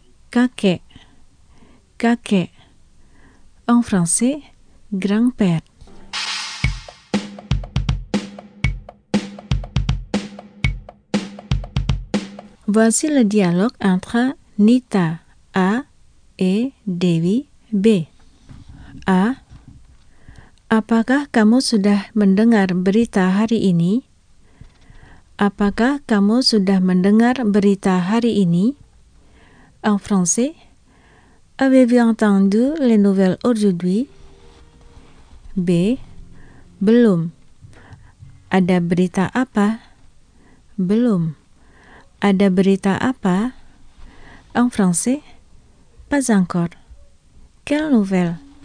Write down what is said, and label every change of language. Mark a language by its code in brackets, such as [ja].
[fr] Kake, kake, en français, grand-père. Voici le dialogue entre Nita A et Dewi B. A. [id] Apakah kamu sudah mendengar berita hari ini? Apakah kamu sudah mendengar berita hari ini? [fr] En français, avez-vous entendu les nouvelles aujourd'hui? [id] B. Belum. Ada berita apa? Belum. Ada berita apa? [fr] En français, pas encore. Quelle nouvelle?